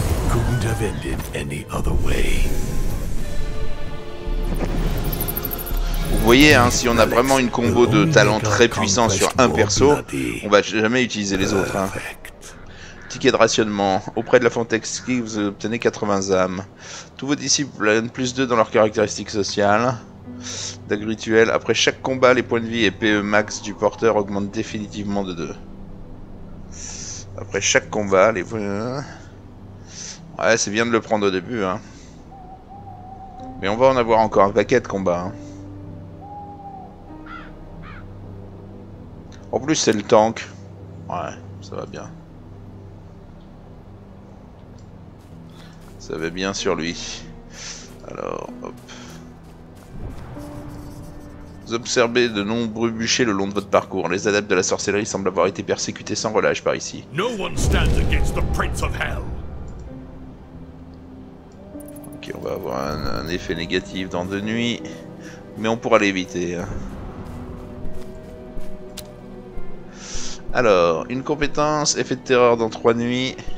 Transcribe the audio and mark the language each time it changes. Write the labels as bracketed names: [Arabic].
[English] Couldn't have ended any other way. [French] Vous voyez, hein, si on a vraiment une combo de talents très puissant sur un perso, on va jamais utiliser les autres. Hein. Ticket de rationnement. Auprès de la Fontaine, vous obtenez 80 âmes. Tous vos disciples gagnent plus 2 dans leurs caractéristiques sociales. Dague rituelle. Après chaque combat, les points de vie et PE max du porteur augmentent définitivement de 2. Après chaque combat, les points... Ouais, c'est bien de le prendre au début. Hein. Mais on va en avoir encore un paquet de combats. Hein. En plus, c'est le tank. Ouais, ça va bien. Ça va bien sur lui. Alors, hop. Vous observez de nombreux bûchers le long de votre parcours. Les adeptes de la sorcellerie semblent avoir été persécutés sans relâche par ici. [English] No one stands against the Prince of Hell. [French] Ok, on va avoir un effet négatif dans 2 nuits. Mais on pourra l'éviter. Hein. Alors, une compétence, effet de terreur dans 3 nuits.